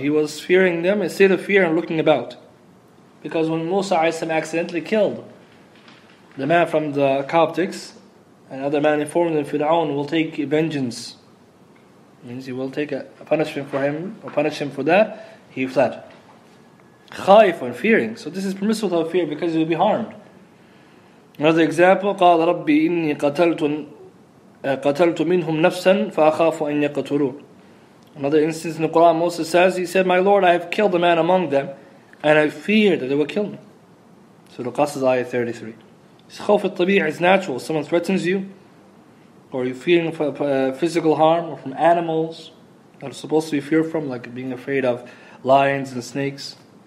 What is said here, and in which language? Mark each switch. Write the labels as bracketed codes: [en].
[en] He was fearing them, instead of fear and looking about. Because when Musa alayhi accidentally killed the man from the Coptics, another man informed him, Fir'aun will take vengeance. Means he will take a punishment for him, or punish him for that, he fled. خَائِفًا, fearing. So this is permissible to have fear because he will be harmed. Another example, [ar] قَالَ رَبِّ إِنِّي قَتَلْتُ مِنْهُمْ نَفْسًا فَأَخَافُ أَنْ يَقَتُلُونَ. [en] Another instance in the Quran, Moses says, he said, my Lord, I have killed a man among them, and I fear that they will kill me. Surah Qasas, ayah 33. It's khawf al-tabi'i, it's natural. Someone threatens you, or you're fearing for physical harm, or from animals that are supposed to be feared from, like being afraid of lions and snakes.